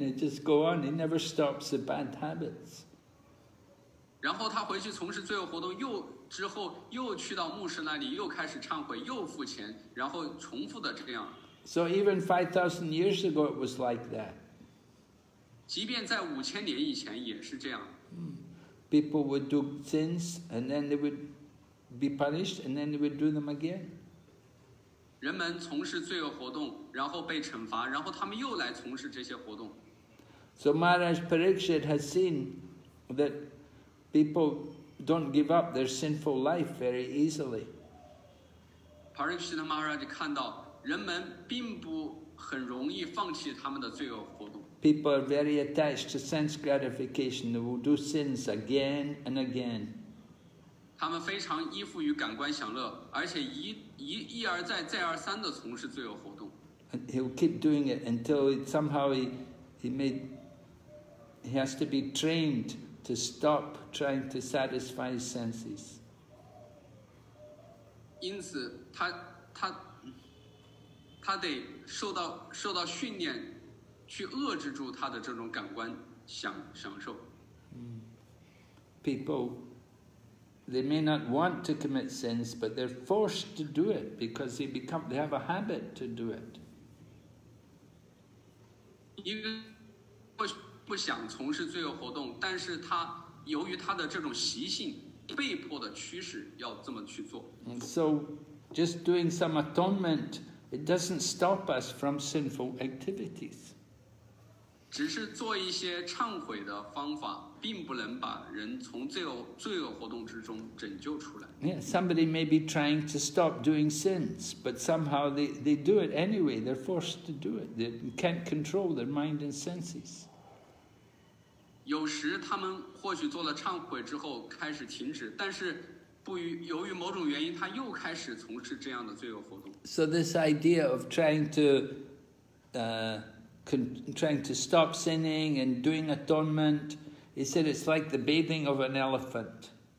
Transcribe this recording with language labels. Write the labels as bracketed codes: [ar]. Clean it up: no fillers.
[en] It just go on. It never stops the bad habits. [zh] 然后他回去从事罪恶活动又之后又去到牧师那里，又开始忏悔，又付钱，然后重复的这样。 [en] So even 5,000 years ago, it was like that. [zh] 即便在五千年以前也是这样。 [en] People would do sins, and then they would be punished, and then they would do them again. [zh] 人们从事罪恶活动，然后被惩罚，然后他们又来从事这些活动。 [en] So Maharaj Parikshit has seen that people don't give up their sinful life very easily. [zh] Parikshit Maharaj 看到人们并不很容易放弃他们的罪恶活动。 [en] People are very attached to sense gratification. They will do sins again and again. [zh] 他们非常依附于感官享乐，而且一而再、再而三地从事罪恶活动。 [en] And he'll keep doing it until it, somehow he has to be trained to stop trying to satisfy his senses. [zh] 因此，他得受到训练。去遏制住他的这种感官享受。 [en] People, they may not want to commit sins, but they're forced to do it because they have a habit to do it. [zh] 一个不想从事罪恶活动，但是他由于他的这种习性，被迫的驱使要这么去做。 [en] So, just doing some atonement, it doesn't stop us from sinful activities. [zh] 只是做一些忏悔的方法，并不能把人从罪恶活动之中拯救出来。 [en] Yeah, somebody may be trying to stop doing sins, but somehow they do it anyway. They're forced to do it. They can't control their mind and senses. [zh] 有时他们或许做了忏悔之后开始停止，但是由于某种原因，他又开始从事这样的罪恶活动。 [en] So this idea of trying to, trying to stop sinning and doing atonement, he said it's like the bathing of an elephant.